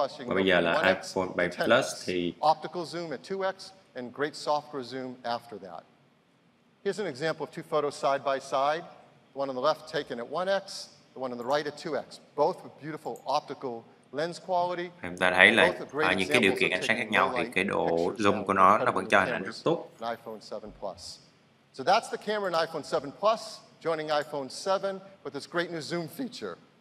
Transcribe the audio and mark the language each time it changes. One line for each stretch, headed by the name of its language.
Vietnamese: Và bây giờ là iPhone 7 Plus thì
English: optical zoom at 2x and great software zoom after that. Here's an example of two photos side by side. The one on the left taken at 1x. The one on the right at 2x, both with beautiful optical lens quality.
Vietnamese: Chúng ta thấy là ở những cái điều kiện ánh sáng khác nhau thì cái độ zoom của nó vẫn cho hình ảnh rất tốt. iPhone 7 Plus.
English: So that's the camera in iPhone 7 Plus joining iPhone 7 with this great new zoom feature.